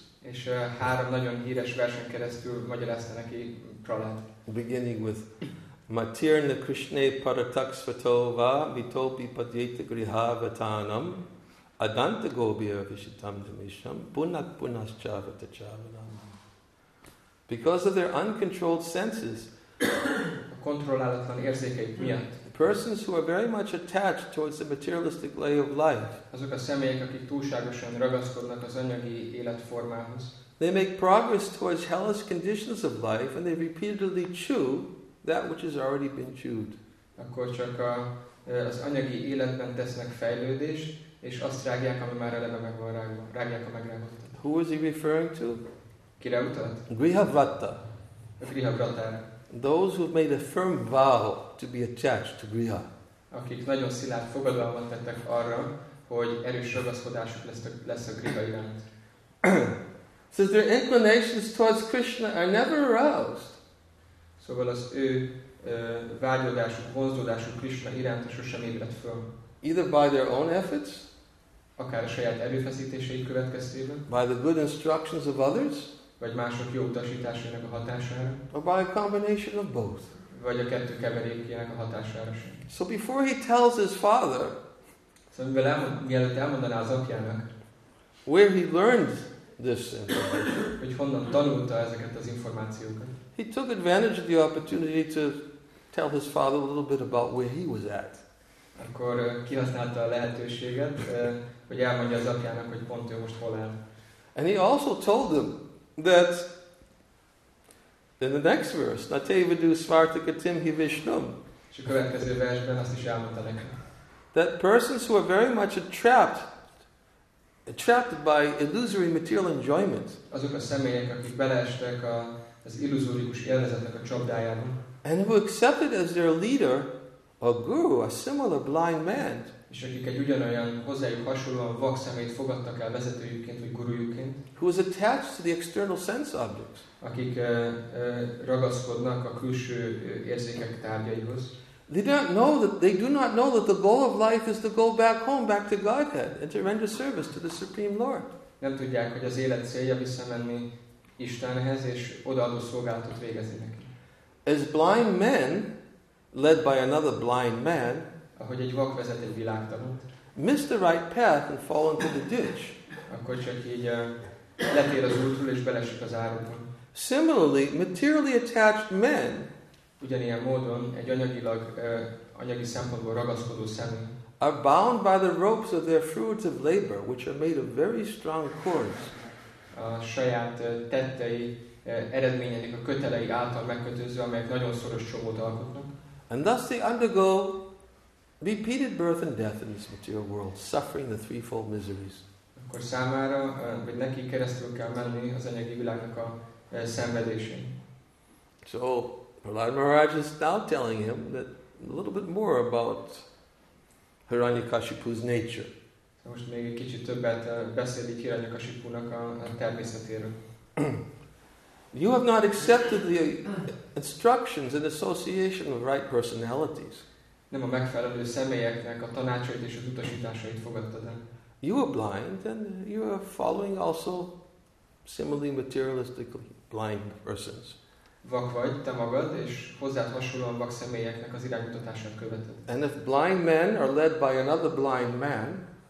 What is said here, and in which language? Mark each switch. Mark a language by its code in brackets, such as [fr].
[hu] És három nagyon híres versen keresztül magyarázta neki Prahlad. [sa] Beginning with Matirna Krishne Paratakshvatova Vitopi Padyeta Griha Vatanam Adanta Gobhya Vishitam Dhamisham Punat Punas Chavata Chavanam. [en] Because of their uncontrolled senses, [hu] a kontrollálatlan érzékeik miatt, [en] persons who are very much attached towards the materialistic way of life, [hu] azok a személyek, akik túlságosan ragaszkodnak az anyagi életformához, [en] they make progress towards hellish conditions of life, and they repeatedly chew that which has already been chewed. [hu] Akkor csak az anyagi életben tesznek fejlődést, és azt rágják, ami már eleve meg van rágva, rágják a megrágottat. [en] Who is he referring to? [hu] Kire utalt? [sa] Grihavrata. Grihavrata. [en] Those who made a firm vow to be attached to Griha. [hu] Akik nagyon szilárd fogadalmat tettek arra, hogy erős ragaszkodásuk lesz a Griha iránt. [en] So their inclinations towards Krishna are never aroused. [hu] Szóval az ő vágyódásuk, vonzódásuk Krishna iránt sosem ébred föl. [en] Either by their own efforts, [hu] akár a saját erőfeszítéseik következtében, [en] by the good instructions of others, [hu] vagy mások jó utasításának a hatására, [en] or by a combination of both, [hu] vagy a kettő keverékének a hatására. [en] So before he tells his father, [hu] szóval mielőtt elmondaná az apjának, [en] where he learned this, [hu] hogy honnan tanulta ezeket az információkat, [en] he took advantage of the opportunity to tell his father a little bit about where he was at. [hu] Akkor kihasználta a lehetőséget, hogy elmondja az apjának, hogy pont ő most hol áll. [en] And he also told them that in the next verse, [sa] Natevadu Svartakatim Hivishnum, [hu] és a következő versben azt is elmondta nekem, [en] that persons who are very much trapped by illusory material enjoyment, [hu] azok a személyek, akik beleestek az illuzórikus élvezetnek a csapdájába, [en] and who accepted as their leader a guru, a similar blind man, [hu] és akik egy ugyanolyan hozzájuk hasonlóan vak szemét fogadtak el vezetőjükként vagy gurujukként, [en] who is attached to the external sense objects, [hu] akik ragaszkodnak a külső érzékek tárgyaihoz, [en] they do not know that the goal of life is to go back home, back to Godhead, and to render service to the Supreme Lord. [hu] Nem tudják, hogy az élet célja visszamenni Istenhez és odaadó szolgálatot végezni neki. [en] As blind men led by another blind man, [hu] ahogy egy vak vezet egy világtagot, [en] miss the right path and fall into the ditch. [hu] Akkor csak így letér az útról és belesik az árokba. [en] Similarly, materially attached men, [hu] ugyanilyen módon egy anyagilag, anyagi szempontból ragaszkodó személy, [en] are bound by the ropes of their fruits of labor, which are made of very strong cords. [hu] A saját tettei, eredményeinek a kötelei által megkötözve, amelyek nagyon szoros csomót alkotnak. [en] And thus they undergo repeated birth and death in this material world, suffering the threefold miseries. [hu] Akkor számára, vagy neki keresztül kell menni az anyagi világnak a szenvedésén. [en] So, Prahlad Maharaj is now telling him that a little bit more about Hiranyakashipu's nature. [hu] So most még egy kicsit többet beszélik Hiranyakashipunak a természetéről. [en] You have not accepted the instructions and association of right personalities. [hu] Nem a megfelelő személyeknek a tanácsait és az utasításait fogadtad el. [en] You are blind and you are following also similarly materialistically blind persons. [hu] Vak vagy te magad, és hozzád hasonlóan vak személyeknek az irányutatását követed. [en] And if blind men are led by another blind man,